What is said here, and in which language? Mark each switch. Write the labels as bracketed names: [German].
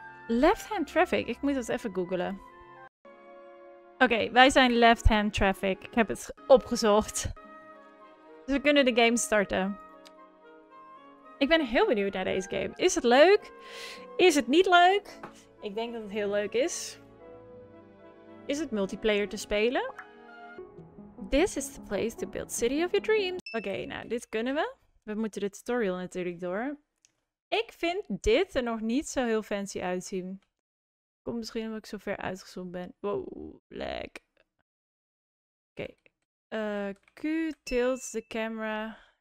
[Dutch] Left-hand traffic. Ik moet dat even googlen. Oké, wij zijn left-hand traffic. Ik heb het opgezocht. Dus we kunnen de game starten. Ik ben heel benieuwd naar deze game. Is het leuk? Is het niet leuk? Ik denk dat het heel leuk is. Is het multiplayer te spelen? [English] This is the place to build city of your dreams. [Dutch] Oké, nou, dit kunnen we. We moeten de tutorial natuurlijk door. Ik vind dit er nog niet zo heel fancy uitzien. Komt misschien omdat ik zo ver uitgezoomd ben. [English] Wow, lag. Oké. Q tilts the camera.